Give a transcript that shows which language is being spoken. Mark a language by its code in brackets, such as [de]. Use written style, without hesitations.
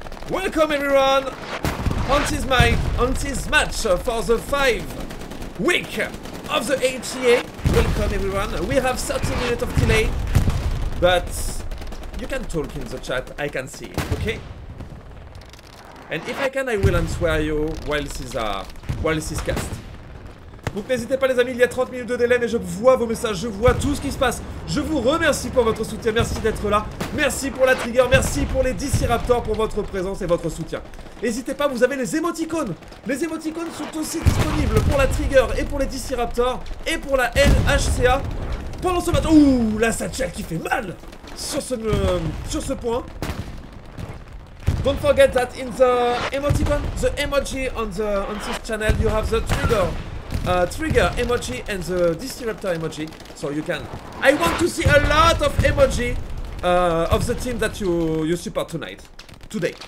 [en] Welcome everyone on this match for the 5 week of the HCA. Welcome everyone. We have 30 minutes of delay, but you can talk in the chat. I can see it, okay? And if I can, I will answer you while this is cast. [fr] Donc n'hésitez pas les amis, il y a 30 minutes de délai, mais je vois vos messages, je vois tout ce qui se passe. Je vous remercie pour votre soutien, merci d'être là. Merci pour la trigger, merci pour les DC Raptors, pour votre présence et votre soutien. N'hésitez pas, vous avez les émoticônes. Les émoticônes sont aussi disponibles pour la trigger et pour les DC Raptors et pour la NHCA. Pendant ce matin, ouh, la satchel qui fait mal sur ce point. [en] Don't forget that in the emoticon, the emoji on this channel, you have the trigger. Trigger emoji and the DC Raptor emoji, so you can. I want to see a lot of emoji of the team that you support tonight, today.